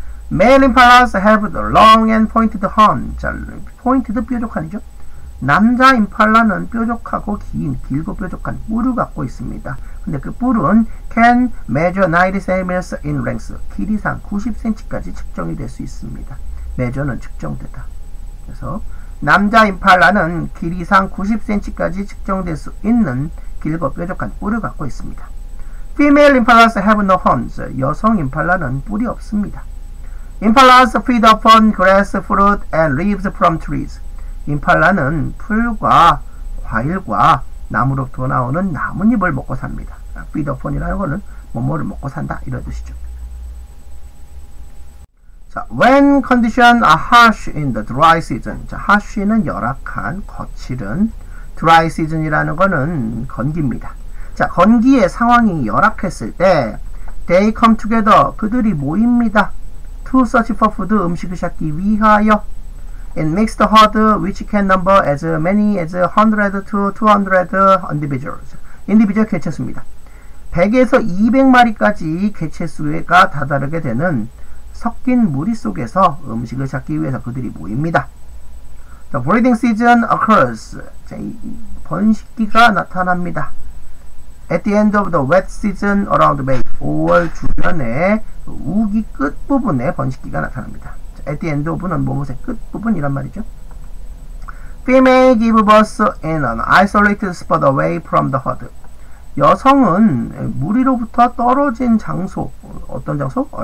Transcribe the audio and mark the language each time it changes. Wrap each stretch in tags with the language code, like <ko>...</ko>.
<en>Male impalas have the long and pointed horn.</en> <ko>자, pointed 뾰족한이죠. 남자 임팔라는 뾰족하고 긴, 길고 뾰족한 뿔을 갖고 있습니다. 근데 그 뿔은</ko> <en>can measure 90cm in length,</en> <ko>길이상 90cm까지 측정이 될 수 있습니다. measure는 측정되다. 그래서 남자 임팔라는 길이상 90cm까지 측정될 수 있는 길고 뾰족한 뿔을 갖고 있습니다.</ko> <en>Female impalas have no horns.</en> <ko>여성 임팔라는 뿔이 없습니다.</ko> <en>Impalas feed upon grass, fruit, and leaves from trees.</en> <ko>임팔라는 풀과 과일과 나무로부터 나오는 나뭇잎을 먹고 삽니다. Feed upon이라는 것은 뭐뭐를 먹고 산다 이런 뜻이죠.</ko> <en>When conditions are harsh in the dry season.</en> <ko>자, harsh는 열악한, 거칠은. Dry season이라는 거는 건기입니다. 자, 건기의 상황이 열악했을 때</ko> <en>They come together.</en> <ko>그들이 모입니다.</ko> <en>To search for food.</en> <ko>음식을 찾기 위하여.</ko> <en>And mix the herd, which can number as many as 100 to 200 individuals.</en> <ko>Individual 개체수입니다. 100에서 200마리까지 개체수가 다다르게 되는 섞인 무리 속에서 음식을 찾기 위해서 그들이 모입니다.</ko> <en>The breeding season occurs.</en> <ko>자, 이 번식기가 나타납니다.</ko> <en>At the end of the wet season around May.</en> <ko>5월 주변에 우기 끝부분에 번식기가 나타납니다.</ko> <en>At the end of는</en> <ko>무엇의 끝부분이란 말이죠.</ko> <en>Female give birth in an isolated spot away from the herd.</en> <ko>여성은 무리로부터 떨어진 장소, 어떤 장소?</ko>